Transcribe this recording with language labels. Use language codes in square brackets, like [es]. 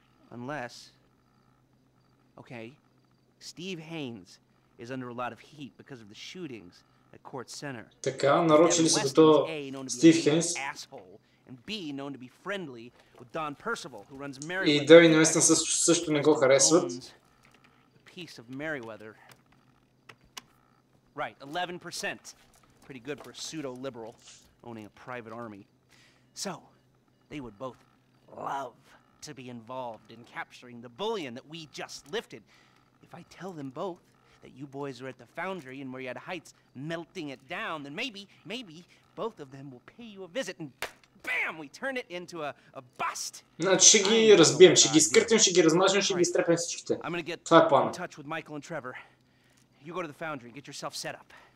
[en] Unless okay. Steve Haynes is under a lot of heat because of the shootings at Court Center. [bg] Така, нарочили са като Стив Хейнс. [en] And B known to be friendly with Don Percival who runs Merryweather. [bg] И Девин Уестън също не го харесват. [en] A piece of Merryweather. Right, 11%. Pretty good for a pseudo liberal owning a private army. So, they would both love to be involved in capturing the bullion that we just lifted. If I tell them both that you boys are at the foundry in Marietta Heights melting it down, then maybe both of them will pay you a visit and bam, we turn it into a bust. [bg] Значи ще ги разбием, ще ги скъртим, ще ги размажем, ще ги изтрепем всичките. Това е плана. [en] Touch with Michael and Trevor You go to the foundry and get yourself set up.